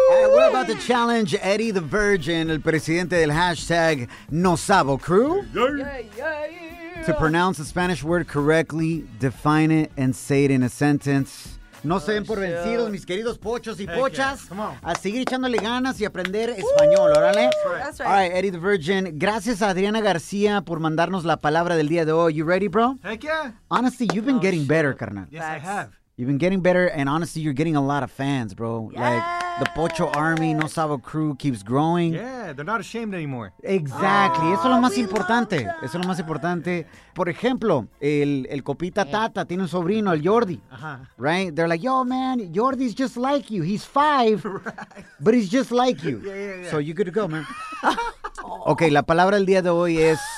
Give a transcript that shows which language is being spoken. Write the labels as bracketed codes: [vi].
[en] We're about to challenge Eddie the Virgin, el presidente del hashtag NoSabo Crew, to pronounce the Spanish word correctly, define it, and say it in a sentence. [es] No se den por vencidos, mis queridos pochos y pochas, a seguir echándole ganas y aprender español, órale. [en] That's right. All right, Eddie the Virgin, [es] gracias a Adriana García por mandarnos la palabra del día de hoy. [en] You ready, bro? Heck yeah. Honestly, you've been getting better, carnal. Yes, I have. You've been getting better, and honestly, you're getting a lot of fans, bro. Yeah. Like, the Pocho Army, No Sabo Crew keeps growing. Yeah, they're not ashamed anymore. [es] Exactly. Oh, eso es lo más importante. Eso es lo más importante. Por ejemplo, el copita Tata tiene un sobrino, el Jordi. Uh-huh. [en] Right? They're like, yo, man, Jordi's just like you. He's five, but he's just like you. Yeah, yeah, yeah. So you're good to go, man. [es] Okay, la palabra del día de hoy es...